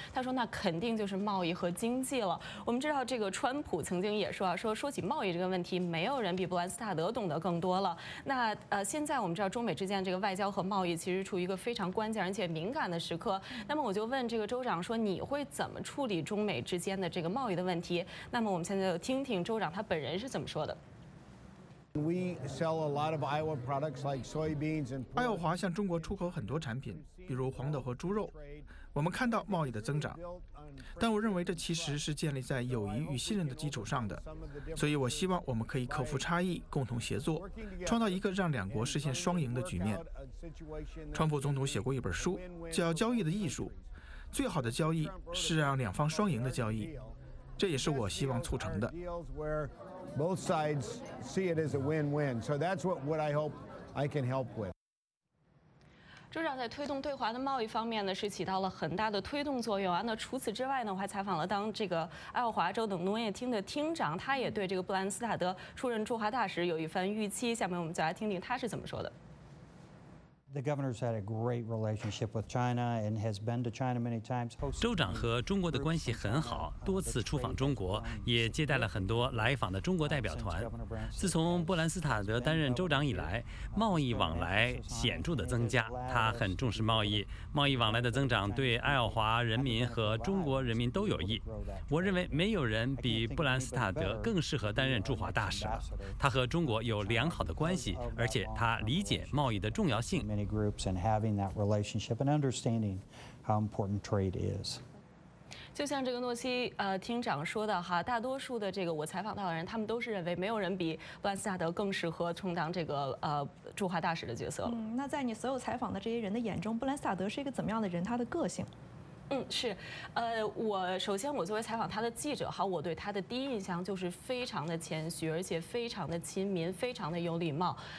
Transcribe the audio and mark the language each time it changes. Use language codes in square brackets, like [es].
[zh] 他说，那肯定就是贸易和经济了。我们知道这个川普曾经也说啊，说起贸易这个问题，没有人比布兰斯塔德懂得更多了。那现在我们知道中美之间这个外交和贸易其实处于一个非常关键而且敏感的时刻。那么我就问这个州长说，你会怎么处理中美之间的这个贸易的问题？那么我们现在就听听州长他本人是怎么说的。 [en] We sell a lot of Iowa products like soybeans and. [zh] 爱奥华向中国出口很多产品，比如黄豆和猪肉。我们看到贸易的增长，但我认为这其实是建立在友谊与信任的基础上的。所以我希望我们可以克服差异，共同协作，创造一个让两国实现双赢的局面。川普总统写过一本书，叫《交易的艺术》，最好的交易是让两方双赢的交易，这也是我希望促成的。 [en] Both sides see it as a win-win. So that's what I hope I can help with. [zh] 州长在推动对华的贸易方面呢，是起到了很大的推动作用啊。那除此之外呢，我还采访了当这个爱奥华州的农业厅的厅长，他也对这个布兰斯塔德出任驻华大使有一番预期。下面我们就来听听他是怎么说的。 [en] The governor's had a great relationship with China and has been to China many times. [zh] 州长和中国的关系很好，多次出访中国，也接待了很多来访的中国代表团。自从布兰斯塔德担任州长以来，贸易往来显著的增加。他很重视贸易，贸易往来的增长对爱奥华人民和中国人民都有益。我认为没有人比布兰斯塔德更适合担任驻华大使了。他和中国有良好的关系，而且他理解贸易的重要性。 [en] Many groups and having that relationship and understanding how important trade is. [zh] 就像这个诺西厅长说的哈，大多数的这个我采访到的人，他们都是认为没有人比布兰斯塔德更适合充当这个驻华大使的角色了。那在你所有采访的这些人的眼中，布兰斯塔德是一个怎么样的人？他的个性？我首先作为采访他的记者哈，我对他的第一印象就是非常的谦虚，而且非常的亲民，非常的有礼貌。